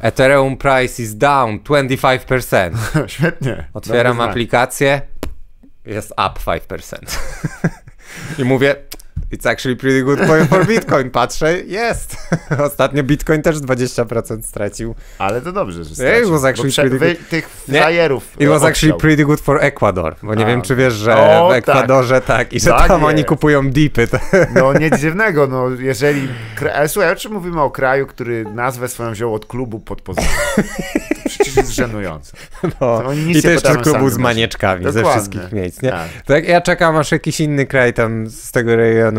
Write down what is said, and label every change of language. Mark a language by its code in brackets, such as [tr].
[en] Ethereum price is down 25%. [pl] Świetnie. Otwieram aplikację, jest up 5%. I mówię, [en] it's actually pretty good point for Bitcoin. [pl] Patrzę, jest. Ostatnio Bitcoin też 20% stracił. Ale to dobrze, że stracił. [en] It was actually pretty good. [pl] Tych frajerów. [en] It was actually pretty good for Ecuador. [pl] Bo nie wiem, czy wiesz, że w Ekwadorze tak i że tam oni kupują dipy. No nic dziwnego, no jeżeli... Słuchaj, o czym mówimy, o kraju, który nazwę swoją wziął od klubu pod Poznaniem? Przecież jest żenujące. No, i to jeszcze klubu z manieczkami. Dokładnie. Ze wszystkich miejsc. Nie? Tak. Tak, ja czekam, aż jakiś inny kraj tam z tego rejonu